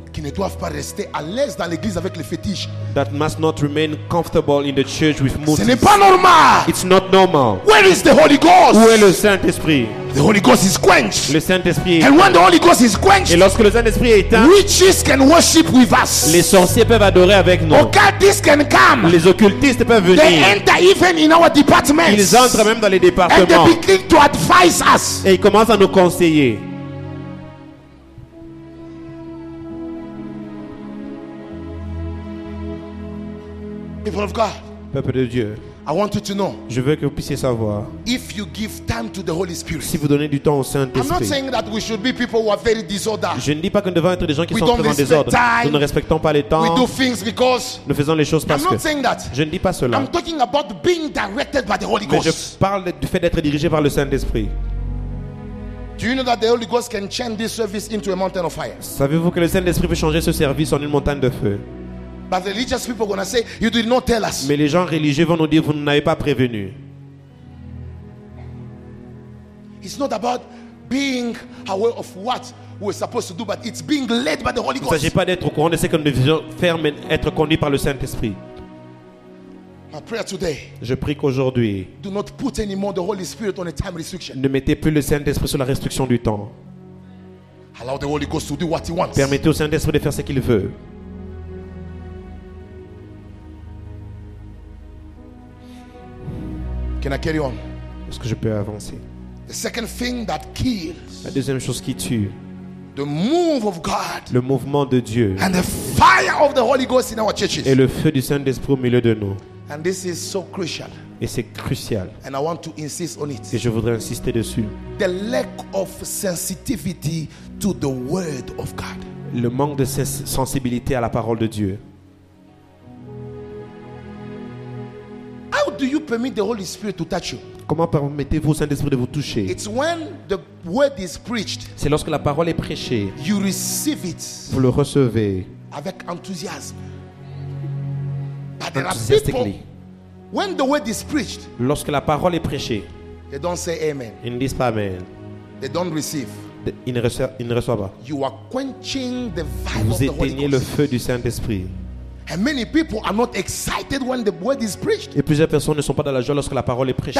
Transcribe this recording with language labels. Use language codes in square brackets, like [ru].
[fr] qui ne doivent pas rester à l'aise dans l'église avec les fétiches. [en] That must not remain comfortable in the church with motifs. [fr] Ce n'est pas normal. [en] It's not normal. Where is the Holy Ghost? [fr] Où est le Saint-Esprit? [en] The Holy Ghost is quenched. [fr] Le Saint-Esprit. [en] And when the Holy Ghost is quenched, [fr] et lorsque le Saint-Esprit est éteint, [en] witches can worship with us. [fr] Les sorciers peuvent adorer avec nous. [en] Occultists can come. [fr] Les occultistes peuvent venir. [en] They enter even in our departments. [fr] Ils entrent même dans les départements. [en] And they begin to advise us. [fr] Et ils commencent à nous conseiller. [en] People of God. [fr] Peuple de Dieu. [en] I want you to know. [fr] Je veux que vous puissiez savoir. [en] If you give time to the Holy Spirit. [fr] Si vous donnez du temps au Saint-Esprit. [en] I'm not saying that we should be people who are very disorder. [fr] Je ne dis pas que nous devons être des gens qui [en] we [fr] sont très en désordre. Nous ne respectons pas les temps. [en] We do things because. [fr] Nous faisons les choses parce [en] I'm not [fr] que. [en] Saying that. [fr] Je ne dis pas cela. [en] I'm talking about being directed by the Holy Ghost. [fr] Mais je parle du fait d'être dirigé par le Saint-Esprit. [en] Do you know that the Holy Ghost can change this service into a mountain of fire? [fr] Savez-vous que le Saint-Esprit peut changer ce service en une montagne de feu? [en] But the religious people are gonna say, "You did not tell us." [fr] Mais les gens religieux vont nous dire, vous n'avez pas prévenu. [en] It's not about being aware of what we're supposed to do, but it's being led by the Holy Ghost. [fr] Il ne s'agit pas d'être au courant de ce que nous devons faire, mais être conduit par le Saint-Esprit. [en] My prayer today. [fr] Je prie qu'aujourd'hui. [en] Do not put anymore the Holy Spirit on a time restriction. [fr] Ne mettez plus le Saint-Esprit sur la restriction du temps. [en] Allow the Holy Ghost to do what He wants. [fr] Permettez au Saint-Esprit de faire ce qu'il veut. [en] Can I carry on? [fr] Est-ce que je peux avancer? [en] The second thing that kills. [fr] La deuxième chose qui tue. [en] The move of God. [fr] Le mouvement de Dieu. [en] And the fire of the Holy Ghost in our churches. [fr] Et le feu du Saint-Esprit au milieu de nous. [en] And this is so crucial. [fr] Et c'est crucial. [en] And I want to insist on it. [fr] Et je voudrais insister dessus. [en] The lack of sensitivity to the word of God. [fr] Le manque de sensibilité à la parole de Dieu. [en] Do you permit the Holy Spirit to touch you? [fr] Comment permettez-vous au Saint-Esprit de vous toucher? [en] It's when the word is preached. [fr] C'est lorsque la parole est prêchée. [en] You receive it. [fr] Vous le recevez. Avec enthousiasme. [en] But enthusiastically. When the word is preached. [fr] Lorsque la parole est prêchée. [en] They don't say amen. [fr] Ils ne disent pas amen. [en] They don't receive. [fr] Il ne reçoit pas. [en] You are quenching the fire. [fr] Vous éteignez le feu du Saint-Esprit. [en] And many people are not excited when the word is preached. [fr] Et plusieurs personnes ne sont pas dans la joie lorsque la parole est prêchée.